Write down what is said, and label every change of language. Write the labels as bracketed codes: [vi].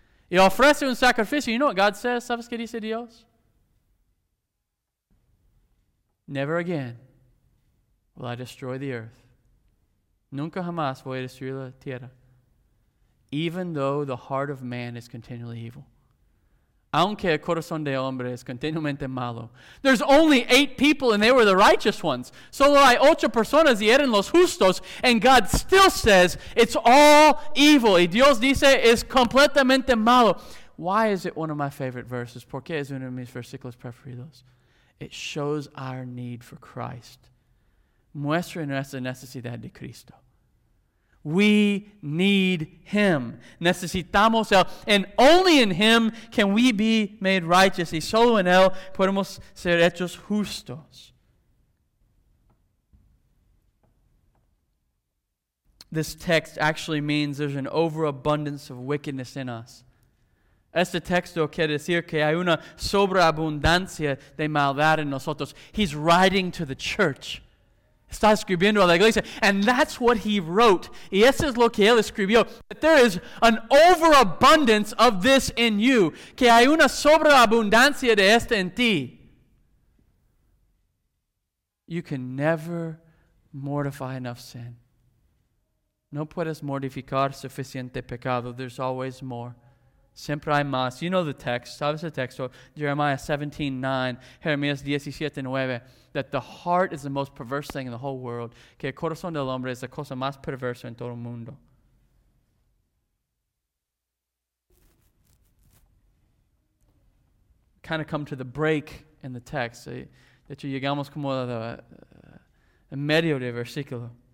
[es] Y ofrece un sacrificio. [en] You know what God says? [es] ¿Sabes qué dice Dios? [en] Never again will I destroy the earth. [es] Nunca jamás voy a destruir la tierra. [en] Even though the heart of man is continually evil. [es] Aunque el corazón de hombre es continuamente malo. [en] There's only 8 people and they were the righteous ones. [es] Solo hay 8 personas y eran los justos. [en] And God still says it's all evil. [es] Y Dios dice es completamente malo. [en] Why is it one of my favorite verses? [es] ¿Por qué es uno de mis versículos preferidos? [en] It shows our need for Christ. [es] Muestra nuestra necesidad de Cristo. [en] We need Him. [es] Necesitamos Él. [en] And only in Him can we be made righteous. [es] Y solo en Él podemos ser hechos justos. [en] This text actually means there's an overabundance of wickedness in us. [es] Este texto quiere decir que hay una sobreabundancia de maldad en nosotros. [en] He's writing to the church. [es] Está escribiendo a la iglesia. [en] And that's what he wrote. [es] Y eso es lo que él escribió. [en] That there is an overabundance of this in you. [es] Que hay una sobreabundancia de esto en ti. [en] You can never mortify enough sin. [es] No puedes mortificar suficiente pecado. [en] There's always more. [es] Siempre hay más. [en] You know the text. [es] Sabes el texto. [en] Jeremiah 17:9. Jeremías 17:9. That the heart is the most perverse thing in the whole world. [es] Que el corazón del hombre es la cosa más perversa en todo el mundo. [en] Kind of come to the break in the text. [es] De hecho, llegamos como a medio de versículo.